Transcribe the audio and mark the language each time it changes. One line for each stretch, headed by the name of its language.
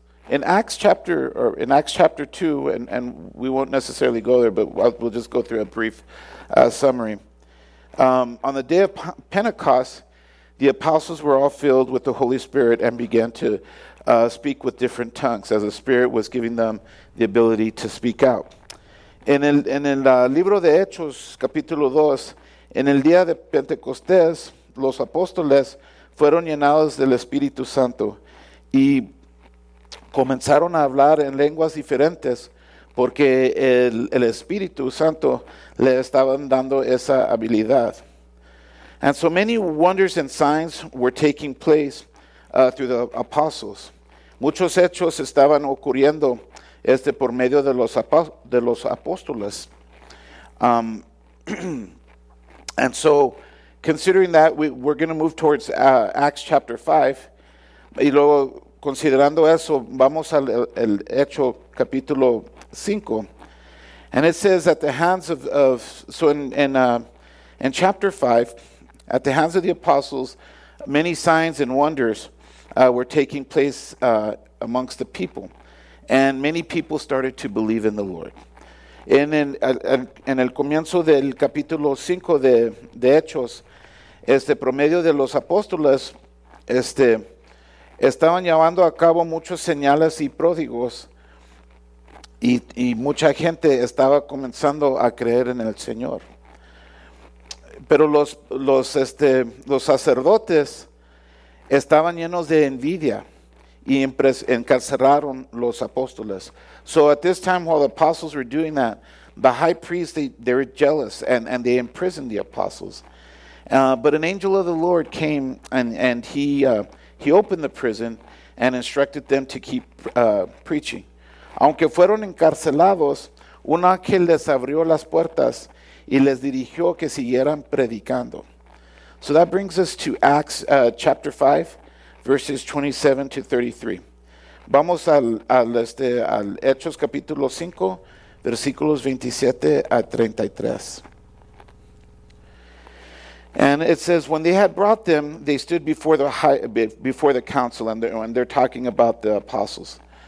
English: In Acts chapter or in Acts chapter 2, and we won't necessarily go there, but we'll just go through a brief summary. On the day of Pentecost, the apostles were all filled with the Holy Spirit and began to speak with different tongues as the Spirit was giving them the ability to speak out.
Spanish: En el libro de Hechos, capítulo 2, en el día de Pentecostés, los apóstoles fueron llenados del Espíritu Santo y comenzaron a hablar en lenguas diferentes porque el Espíritu Santo le estaban dando esa habilidad.
English: And so many wonders and signs were taking place through the apostles.
Spanish: Muchos hechos estaban ocurriendo por medio de los apóstoles.
English: And so, considering that, we're going to move towards Acts chapter 5.
Spanish: Y luego, considerando eso, vamos al el hecho capítulo 5.
English: And it says that the hands in chapter 5, at the hands of the apostles, many signs and wonders were taking place amongst the people. And many people started to believe in the Lord.
Spanish: En el comienzo del capítulo 5 de Hechos, promedio de los apóstoles, estaban llevando a cabo muchas señales y pródigos, y mucha gente estaba comenzando a creer en el Señor. Pero los sacerdotes estaban llenos de envidia y encarcelaron los apóstoles.
English: So at this time, while the apostles were doing that, the high priest, they were jealous and they imprisoned the apostles. But an angel of the Lord came and he opened the prison and instructed them to keep preaching.
Spanish: Aunque fueron encarcelados, un ángel les abrió las puertas y les dirigió que siguieran predicando.
English: So that brings us to Acts chapter 5, verses 27 to 33.
Spanish: Vamos al Hechos capítulo 5, versículos 27 a 33.
English: And it says, when they had brought them, they stood before the council, and they're talking about the apostles.